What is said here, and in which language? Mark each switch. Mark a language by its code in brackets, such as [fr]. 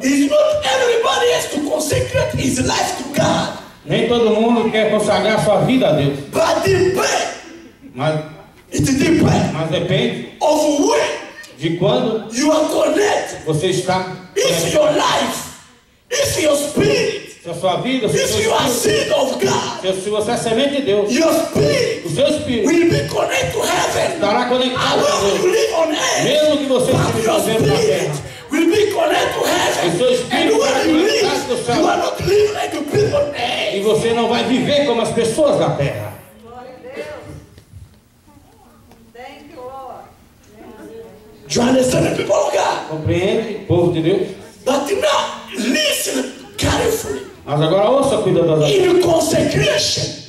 [en] Is not everybody has to consecrate his life to God. [pt] Nem todo mundo quer consagrar sua vida a Deus. [en] But depend. [pt] Mas. [en] It depend. [pt] Mas depende. [en] Of when. [pt] De quando. [en] You are connected. [pt] Você está. [en] If your life. If your spirit. [pt] Se a sua vida. [en] If you are seed of God. [pt] Se você é semente de Deus. [en] Your spirit. [pt] O seu espírito [en] will be connected to heaven. [pt] Estará conectado a Deus. [en] You live on earth, [pt] mesmo que você esteja vivendo na terra. [en] Your spirit will be connected to heaven. [pt] O seu espírito [en] and when you live, you are not living like the people on earth. [pt] E você não vai viver como as pessoas da terra. Glória a Deus. [en] Thank you, Lord. People of God. [pt] Compreende, povo de Deus. [en] But now, listen carefully. [pt] Mas agora ouça, cuida das [en] in consecration.